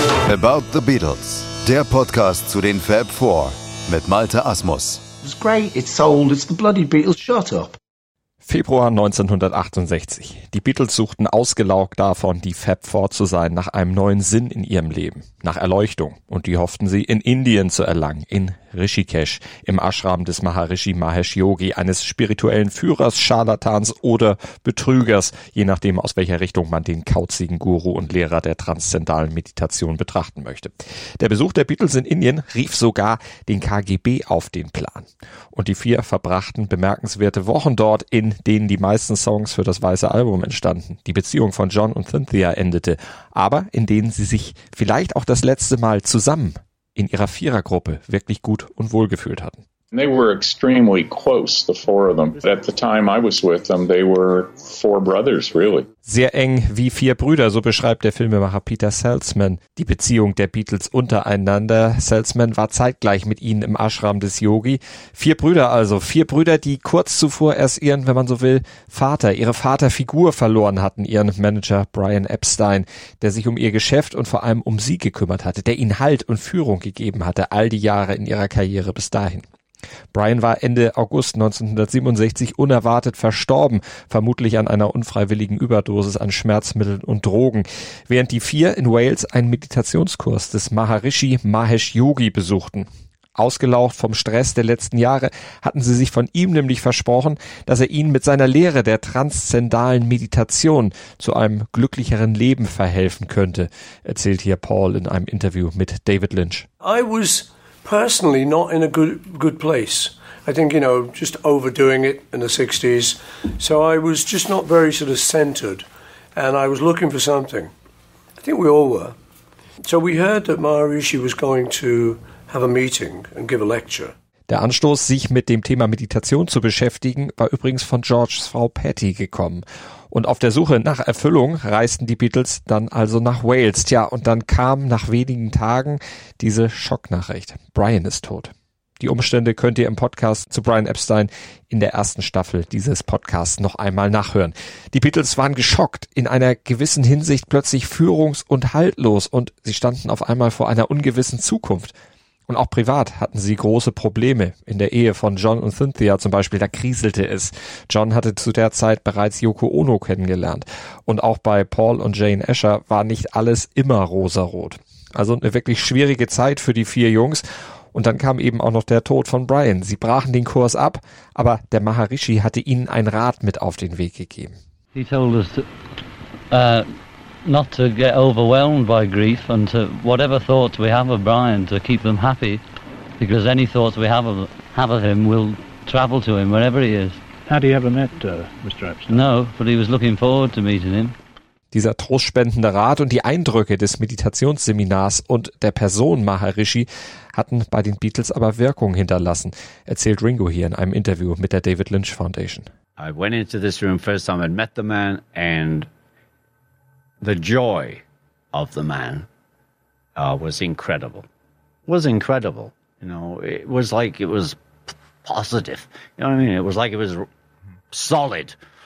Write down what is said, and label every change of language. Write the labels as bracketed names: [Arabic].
[German] About the Beatles, der Podcast zu den Fab Four mit Malte Asmus. [English] It's great, it's old, it's the bloody Beatles, shut up. [German] Februar 1968. Die Beatles suchten ausgelaugt davon, die Fab Four zu sein, nach einem neuen Sinn in ihrem Leben, nach Erleuchtung. Und die hofften sie in Indien zu erlangen, in Rishikesh, im Ashram des Maharishi Mahesh Yogi, eines spirituellen Führers, Scharlatans oder Betrügers, je nachdem aus welcher Richtung man den kauzigen Guru und Lehrer der transzendalen Meditation betrachten möchte. Der Besuch der Beatles in Indien rief sogar den KGB auf den Plan. Und die vier verbrachten bemerkenswerte Wochen dort, in denen die meisten Songs für das Weiße Album entstanden, die Beziehung von John und Cynthia endete, aber in denen sie sich vielleicht auch das letzte Mal zusammen in ihrer Vierergruppe wirklich gut und wohl gefühlt hatten. [English] They were extremely close, the four of them. At the time I was with them, they were four brothers, really. [German] Sehr eng wie vier Brüder, so beschreibt der Filmemacher Peter Saltzman die Beziehung der Beatles untereinander. Saltzman war zeitgleich mit ihnen im Ashram des Yogi. Vier Brüder also, vier Brüder, die kurz zuvor erst ihren, wenn man so will, Vater, ihre Vaterfigur verloren hatten, ihren Manager Brian Epstein, der sich um ihr Geschäft und vor allem um sie gekümmert hatte, der ihnen Halt und Führung gegeben hatte, all die Jahre in ihrer Karriere bis dahin. Brian war Ende August 1967 unerwartet verstorben, vermutlich an einer unfreiwilligen Überdosis an Schmerzmitteln und Drogen, während die vier in Wales einen Meditationskurs des Maharishi Mahesh Yogi besuchten. Ausgelaucht vom Stress der letzten Jahre hatten sie sich von ihm nämlich versprochen, dass er ihnen mit seiner Lehre der transzendalen Meditation zu einem glücklicheren Leben verhelfen könnte, erzählt hier Paul in einem Interview mit David Lynch. [English] I was personally not in a good place. I think, you know, just overdoing it in the 60s. So I was just not very sort of centered and I was looking for something. I think we all were. So we heard that Maharishi was going to have a meeting and give a lecture. [German] Der Anstoß, sich mit dem Thema Meditation zu beschäftigen, war übrigens von Georges Frau Patty gekommen. Und auf der Suche nach Erfüllung reisten die Beatles dann also nach Wales. Tja, und dann kam nach wenigen Tagen diese Schocknachricht. Brian ist tot. Die Umstände könnt ihr im Podcast zu Brian Epstein in der ersten Staffel dieses Podcasts noch einmal nachhören. Die Beatles waren geschockt, in einer gewissen Hinsicht plötzlich führungs- und haltlos und sie standen auf einmal vor einer ungewissen Zukunft. Und auch privat hatten sie große Probleme. In der Ehe von John und Cynthia zum Beispiel, da kriselte es. John hatte zu der Zeit bereits Yoko Ono kennengelernt. Und auch bei Paul und Jane Asher war nicht alles immer rosarot. Also eine wirklich schwierige Zeit für die vier Jungs. Und dann kam eben auch noch der Tod von Brian. Sie brachen den Kurs ab, aber der Maharishi hatte ihnen einen Rat mit auf den Weg gegeben. [English] He told us not to get overwhelmed by grief and to whatever thoughts we have of Brian, to keep them happy, because any thoughts we have of him will travel to him wherever he is. Had he ever met Mr. Epstein? No, but he was looking forward to meeting him. [German] Dieser trostspendende Rat und die Eindrücke des Meditationsseminars und der Person Maharishi hatten bei den Beatles aber Wirkung hinterlassen, erzählt Ringo hier in einem Interview mit der David Lynch Foundation. [English] I went into this room first time and met the man and the joy of the man was incredible. Was incredible. You know, it was like it was positive. You know what I mean? It was like it was solid.